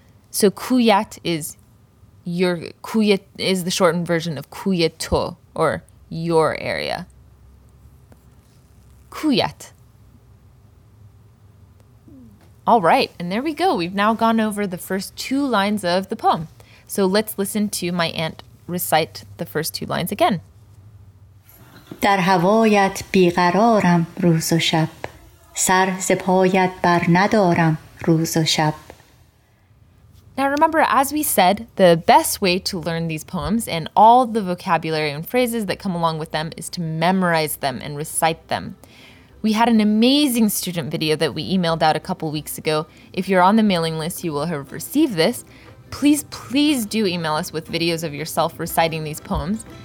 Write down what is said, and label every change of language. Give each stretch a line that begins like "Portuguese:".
English: So kuyat is your kuyat is the shortened version of kuyato or your area. Kuyat. All right, and there we go. We've now gone over the first two lines of the poem. So let's listen to my aunt recite the first two lines again.
Persian: در هوایت بیقرارم روز و شب سر ز پایت بر ندارم روز و شب
English: Now remember, as we said, the best way to learn these poems and all the vocabulary and phrases that come along with them is to memorize them and recite them. We had an amazing student video that we emailed out a couple weeks ago. If you're on the mailing list, you will have received this. Please, please do email us with videos of yourself reciting these poems.